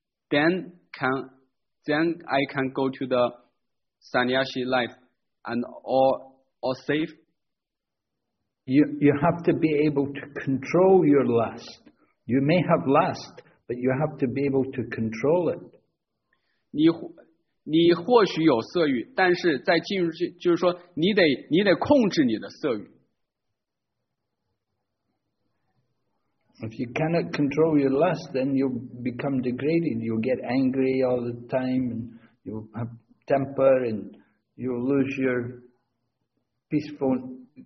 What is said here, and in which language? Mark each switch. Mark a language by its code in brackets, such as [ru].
[en] Then I can go to the sannyasi life and all safe? You have to be able to control your lust. You may have lust, but you have to be able to control it. [zh] 你或许有色欲，但是在进入，就是说你得控制你的色欲。 [en] If you cannot control your lust, then you become degraded. You get angry all the time, and you have temper, and you lose your peaceful.